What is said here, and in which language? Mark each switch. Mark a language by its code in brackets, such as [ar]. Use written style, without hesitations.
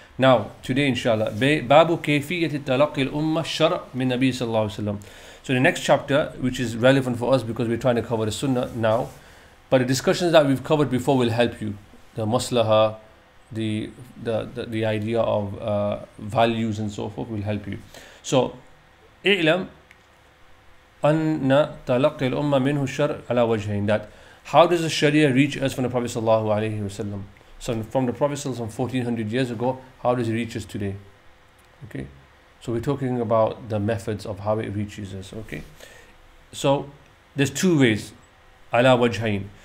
[en] Now, today, inshallah, [ar] Babu Kayfiyyat Talaqqi al-Ummah Shar' min Nabi [en] sallallahu alayhi wa sallam. So the next chapter, which is relevant for us because we're trying to cover the sunnah now, but the discussions that we've covered before will help you. The maslaha, the idea of values and so forth will help you. So, i'lam. [ar] أن تلقي الأمة منه الشر على وجهين. [en] That how does the Sharia reach us from the Prophet sallallahu alaihi wasallam? So from the Prophet sallallahu 1400 years ago, how does it reach us today? Okay, so we're talking about the methods of how it reaches us. Okay, so there's two ways, [ar] على وجهين.